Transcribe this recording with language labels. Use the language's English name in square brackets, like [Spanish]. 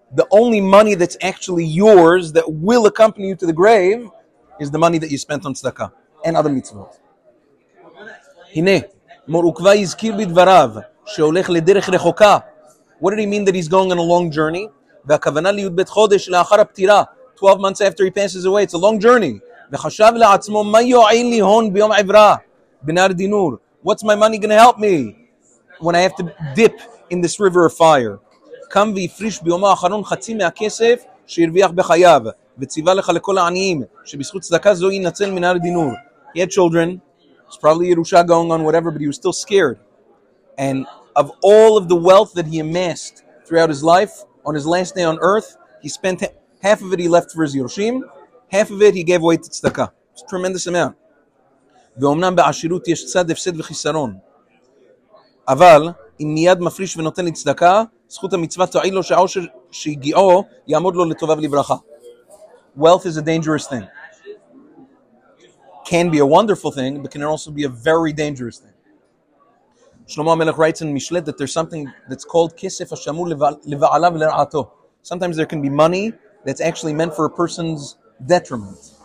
[English] The only money that's actually yours that will accompany you to the grave is the money that you spent on tzedakah and other mitzvot. [Hebrew] Hineh, mor ukva yizkir bidvarav, sheolech lederech rechoka. [English] What did he mean that he's going on a long journey? [Hebrew] Vehakavana liyud bet chodesh le'achar ha'ptira, [English] 12 months after he passes away, it's a long journey. [Hebrew] וחשב לעצמו מה יועיל לי הון ביום עברה בנהר דינור. [English] What's my money going to help me when I have to dip in this river of fire? [Hebrew] קם ויפריש ביום האחרון חצי מהכסף שהרוויח בחייו. וציווה לך לכל העניים, שבזכות צדקה זו ינצל מן הר דינור. [English] He had children, it's probably Yerusha going on, whatever, but he was still scared. And of all of the wealth that he amassed throughout his life, on his last day on earth, he spent half of it he left for his Yerushim, half of it he gave away to tzedaka. It's a tremendous amount. [Hebrew] ואומנם בעשירות יש צד הפסד וחיסרון. אבל אם מיד מפריש ונותן לצדקה, זכות המצווה תועיל לו שהעושר שהגיעו יעמוד לו לטובה ולברכה. [English] Wealth is a dangerous thing. Can be a wonderful thing, but can also be a very dangerous thing. שלמה המלך writes in Mishlet that there's something that's called [Hebrew] כסף השמור לבעלה ולרעתו. [English] Sometimes there can be money that's actually meant for a person's detriment.